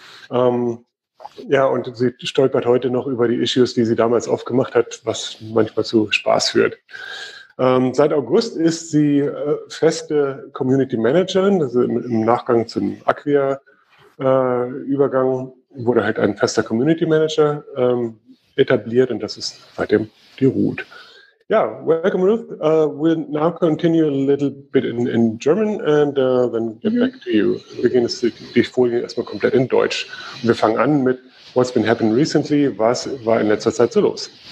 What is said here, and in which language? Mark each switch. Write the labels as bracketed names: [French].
[German] Und sie stolpert heute noch über die Issues, die sie damals aufgemacht hat, was manchmal zu Spaß führt. Seit August ist sie feste Community Managerin, also im Nachgang zum Acquia-Übergang wurde halt ein fester Community Manager etabliert und das ist seitdem die Ruth. [English] Ja, welcome Ruth. We'll now continue a little bit in German and then get back to you. [German] Wir gehen jetzt die Folie erstmal komplett in Deutsch. Und wir fangen an mit [English] What's been happening recently? [German] Was war in letzter Zeit so los?